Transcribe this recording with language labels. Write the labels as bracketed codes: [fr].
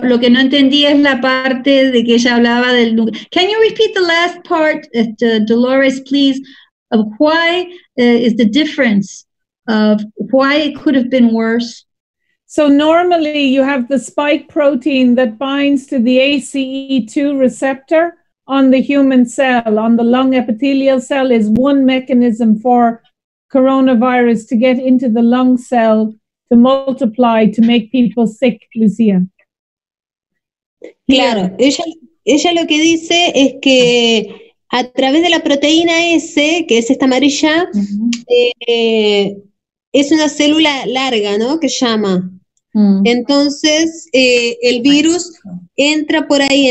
[es] Lo que no entendí es la parte de que ella hablaba del... [en] Can you repeat the last part, Dolores, please, of why is the difference of why it could have been worse? So normally you have the spike protein that binds to the ACE2 receptor on the human cell, on the lung epithelial cell, is one mechanism for coronavirus to get into the lung cell to multiply, to make people sick, Lucia. [es] Claro, ella lo que dice es que a través de la proteína S, que es esta amarilla, es una célula larga, ¿no?, que llama. Entonces, el virus entra por ahí.